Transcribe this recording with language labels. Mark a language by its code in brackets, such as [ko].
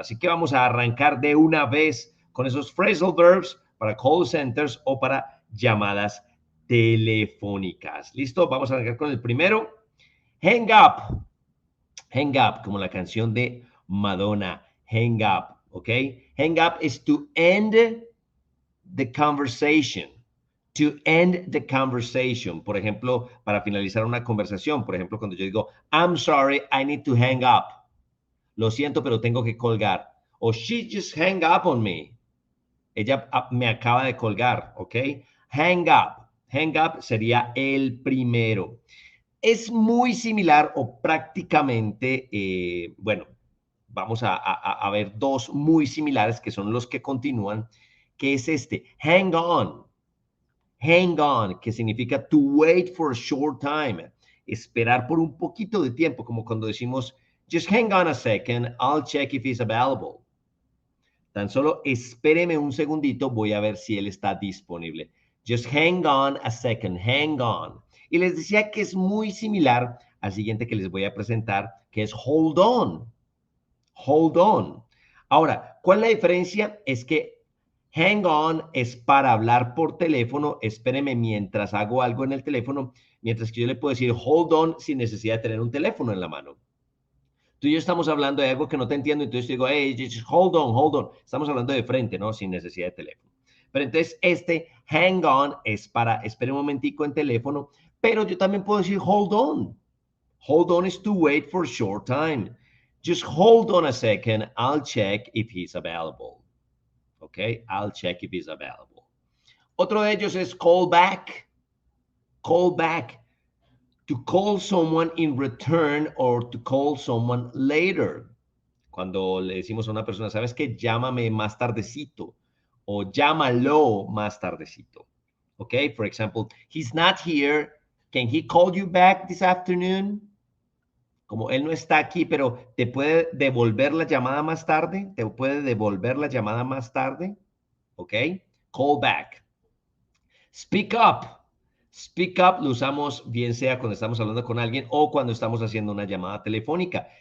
[es] Así que vamos a arrancar de una vez con esos phrasal verbs para call centers o para llamadas telefónicas. ¿Listo? Vamos a arrancar con el primero. Hang up. Hang up, como la canción de Madonna. [en] Hang up, ¿ok? Hang up is to end the conversation. To end the conversation. [es] Por ejemplo, para finalizar una conversación. Por ejemplo, cuando yo digo, [en] I'm sorry, I need to hang up. [es] Lo siento, pero tengo que colgar. O [en] she just hang up on me. [es] Ella me acaba de colgar, ¿ok? Hang up. Hang up sería el primero. Es muy similar o prácticamente, bueno, vamos a ver dos muy similares que son los que continúan, que es este, hang on. [en] Hang on, [es] que significa [en] to wait for a short time. [es] Esperar por un poquito de tiempo, como cuando decimos, [en] just hang on a second, I'll check if he's available. [es] Tan solo espéreme un segundito, voy a ver si él está disponible. [en] Just hang on a second, hang on. [es] Y les decía que es muy similar al siguiente que les voy a presentar, que es hold on. Hold on. Ahora, ¿cuál es la diferencia? Es que hang on es para hablar por teléfono, espéreme mientras hago algo en el teléfono, mientras que yo le puedo decir hold on sin necesidad de tener un teléfono en la mano. Tú y yo estamos hablando de algo que no te entiendo, entonces digo, hey, [en] just hold on, hold on. [es] Estamos hablando de frente, ¿no? Sin necesidad de teléfono. Pero entonces este hang on es para espere un momentico en teléfono, pero yo también puedo decir hold on. [en] Hold on is to wait for a short time. Just hold on a second, I'll check if he's available. Okay, I'll check if he's available. [es] Otro de ellos es call back. [en] Call back. To call someone in return or to call someone later. [es] Cuando le decimos a una persona, ¿sabes qué? Llámame más tardecito. O llámalo más tardecito. [en] Okay, for example, he's not here. Can he call you back this afternoon? [es] Como él no está aquí, pero te puede devolver la llamada más tarde. Te puede devolver la llamada más tarde. [en] Okay, call back. Speak up. [es] Speak up lo usamos bien sea cuando estamos hablando con alguien o cuando estamos haciendo una llamada telefónica.